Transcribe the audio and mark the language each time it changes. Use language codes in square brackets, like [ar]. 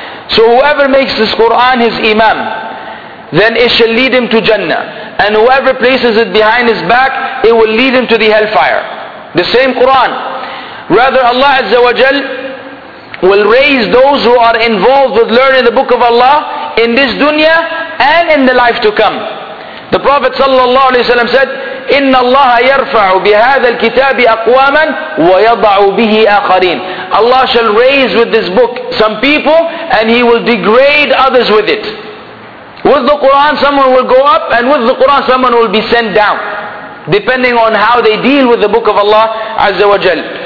[en] So whoever makes this Quran his imam, then it shall lead him to Jannah. And whoever places it behind his back, it will lead him to the hellfire. The same Quran. Rather, Allah Azza wa Jal will raise those who are involved with learning the book of Allah in this dunya and in the life to come. The Prophet sallallahu alaihi wasallam said, [ar] إِنَّ اللَّهَ يَرْفَعُ بِهَذَا الْكِتَابِ أَقْوَامًا وَيَضَعُ بِهِ آخَرِينَ. [en] Allah shall raise with this book some people and He will degrade others with it. With the Quran someone will go up, and with the Quran someone will be sent down, depending on how they deal with the book of Allah Azza wa Jal.